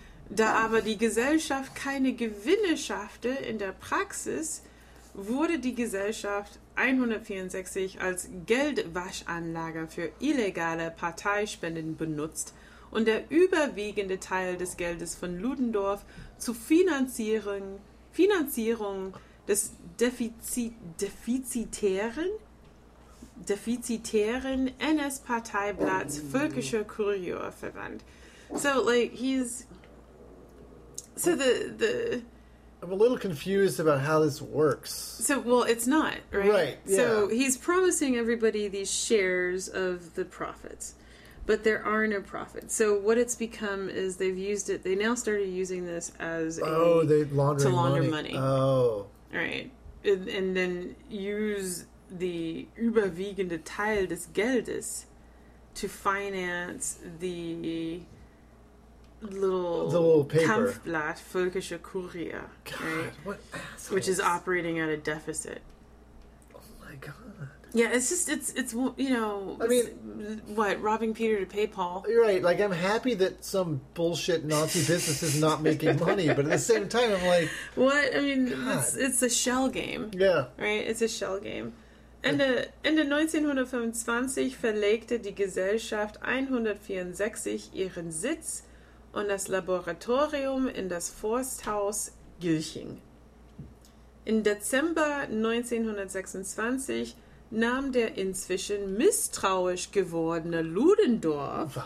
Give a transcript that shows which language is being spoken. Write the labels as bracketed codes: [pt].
[de] Da aber die Gesellschaft keine Gewinne schaffte in der Praxis, wurde die Gesellschaft 164 als Geldwaschanlage für illegale Parteispenden benutzt und der überwiegende Teil des Geldes von Ludendorff zur Finanzierung des defizitären NS-Parteiblatts Völkischer Kurier verwandt. [en] So, like, he's... So the I'm a little confused about how this works. So, well, it's not, right? Right, yeah. So he's promising everybody these shares of the profits, but there are no profits. So what it's become is they've used it, they now started using this as a... Oh, they're laundering money. Right. And then use the [de] überwiegende Teil des Geldes [en] to finance the... Little paper. [de] Kampfblatt Völkischer Kurier. [en] God, right? What assholes. Which is operating at a deficit. Oh my God. Yeah, it's just, it's you know... I mean... What, robbing Peter to pay Paul? You're right, like, I'm happy that some bullshit Nazi business is not making money, but at the same time, I'm like... What? I mean, it's a shell game. Yeah. Right? It's a shell game. [de] Ende 1925 verlegte die Gesellschaft 164 ihren Sitz und das Laboratorium in das Forsthaus Gilching. Im Dezember 1926 nahm der inzwischen misstrauisch gewordene Ludendorff